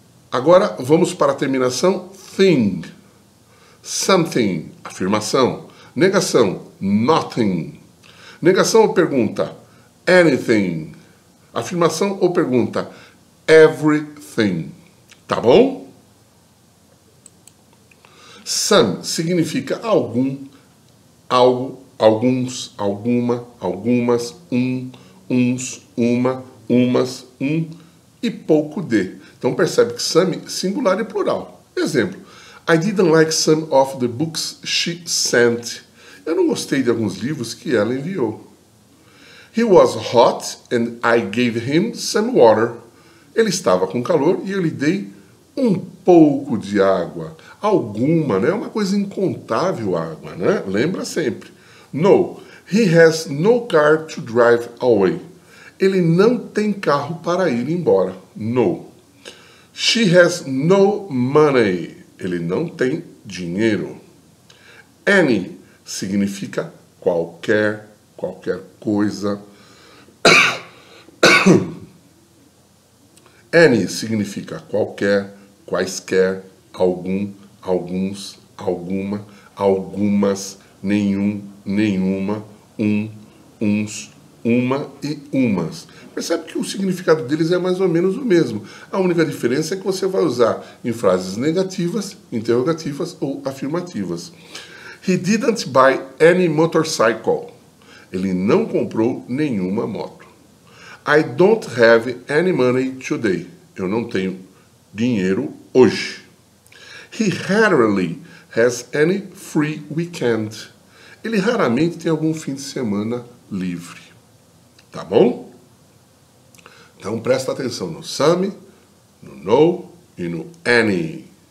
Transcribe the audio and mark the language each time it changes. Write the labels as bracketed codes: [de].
[pt] Agora vamos para a terminação thing, something, afirmação, negação, nothing, negação ou pergunta, anything, afirmação ou pergunta, everything, tá bom? Some significa algum, algo, alguns, alguma, algumas, um, uns, uma, umas, um e pouco de. Então percebe que some, singular e plural. Exemplo, [en] I didn't like some of the books she sent. [pt] Eu não gostei de alguns livros que ela enviou. [en] He was hot and I gave him some water. [pt] Ele estava com calor e eu lhe dei um pouco de água. Alguma, né? Uma coisa incontável água, né? Lembra sempre. [en] No, he has no car to drive away. [pt] Ele não tem carro para ir embora. No. [en] She has no money. [pt] Ele não tem dinheiro. Any significa qualquer, qualquer coisa. Any significa qualquer, quaisquer, algum, alguns, alguma, algumas, nenhum, nenhuma, um, uns, uma e umas. Percebe que o significado deles é mais ou menos o mesmo. A única diferença é que você vai usar em frases negativas, interrogativas ou afirmativas. [en] He didn't buy any motorcycle. [pt] Ele não comprou nenhuma moto. [en] I don't have any money today. [pt] Eu não tenho dinheiro hoje. [en] He rarely has any free weekend. [pt] Ele raramente tem algum fim de semana livre. Tá bom? Então presta atenção no some, no no e no any.